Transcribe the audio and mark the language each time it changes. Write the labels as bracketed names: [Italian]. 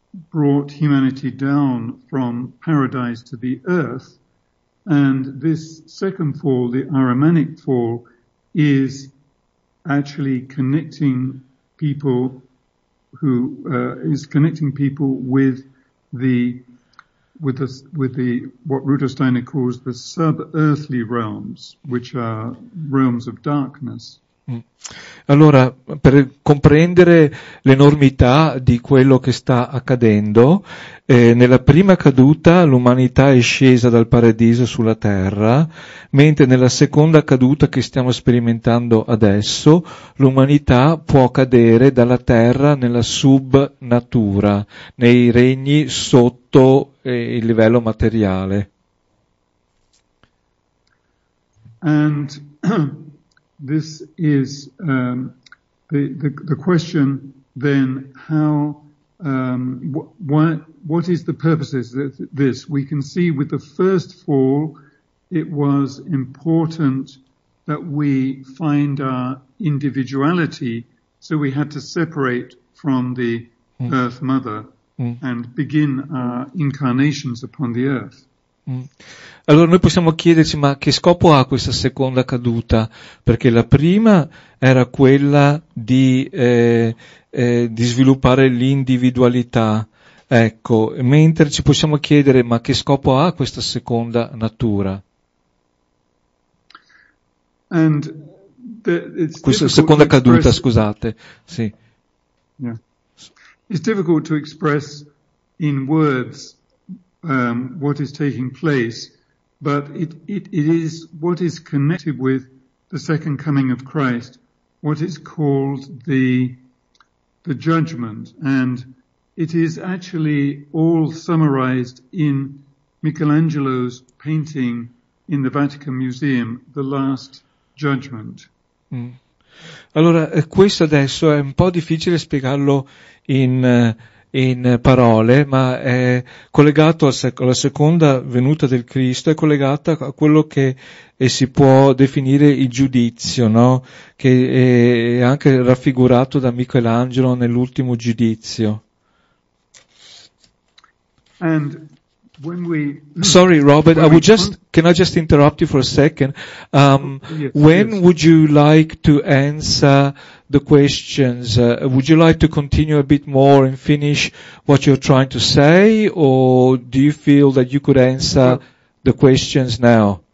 [English] brought humanity down from paradise to the earth, and this second fall, the Ahrimanic fall, is actually connecting people who is connecting people with the what Rudolf Steiner calls the sub-earthly realms, which are realms of darkness. [Italian] Allora, per comprendere l'enormità di quello che sta accadendo, nella prima caduta l'umanità è scesa dal paradiso sulla terra, mentre nella seconda caduta che stiamo sperimentando adesso, l'umanità può cadere dalla terra nella subnatura, nei regni sotto il livello materiale. [English] And this is the question then, how what is the purpose of this? We can see with the first fall it was important that we find our individuality, so we had to separate from the earth mother and begin our incarnations upon the earth. [Italian] Allora noi possiamo chiederci, ma che scopo ha questa seconda caduta? Perché la prima era quella di sviluppare l'individualità, ecco, mentre ci possiamo chiedere, ma che scopo ha questa seconda natura? [English] And [Italian] questa seconda caduta, [English] express... [Italian] scusate, sì. [English] Yeah. It's difficult to express in words what is taking place, but it is what is connected with the second coming of Christ, what is called the judgment, and it is actually all summarized in Michelangelo's painting in the Vatican Museum, The Last Judgment. [Italian] Allora, questo adesso è un po' difficile spiegarlo in parole, ma è collegato alla seconda venuta del Cristo, è collegata a quello che si può definire il giudizio, no? Che è anche raffigurato da Michelangelo nell'ultimo giudizio. [English] And when we... Sorry, Robert, when I would just can I just interrupt you for a second? Yes, when yes. would you like to answer the questions? Would you like to continue a bit more and finish what you're trying to say, or do you feel that you could answer the questions now?